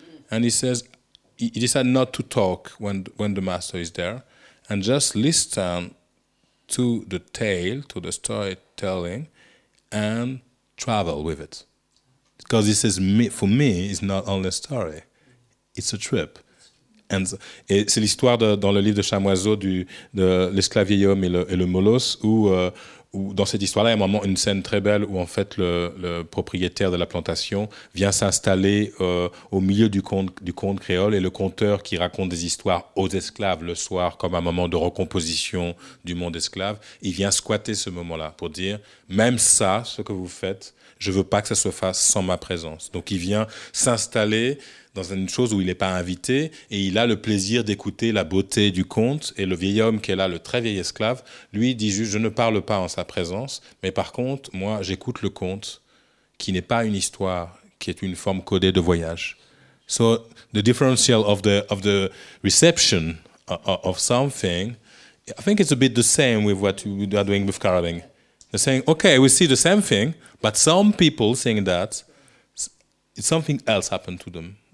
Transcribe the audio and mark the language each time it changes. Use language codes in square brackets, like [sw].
[en] And he says, he decided not to talk when the master is there, and just listen to the tale, to the storytelling, and travel with it. Because he says, for me, it's not only a story, it's a trip. And [fr] c'est l'histoire dans le livre de Chamoiseau de l'esclave vieil homme et le molosse, où dans cette histoire-là, il y a vraiment une scène très belle où en fait le propriétaire de la plantation vient s'installer au milieu du conte créole et le conteur qui raconte des histoires aux esclaves le soir comme un moment de recomposition du monde esclave, il vient squatter ce moment-là pour dire même ça, ce que vous faites, je veux pas que ça se fasse sans ma présence. Donc il vient s'installer dans une chose où il n'est pas invité, et il a le plaisir d'écouter la beauté du conte, et le vieil homme qui est là, le très vieil esclave, lui dit juste, je ne parle pas en sa présence, mais par contre, moi, j'écoute le conte, qui n'est pas une histoire, qui est une forme codée de voyage. [en] So, the differential of the reception of something, I think it's a bit the same with what you are doing with Carabing. They're saying, okay, we see the same thing, but some people saying that, something else happened to them.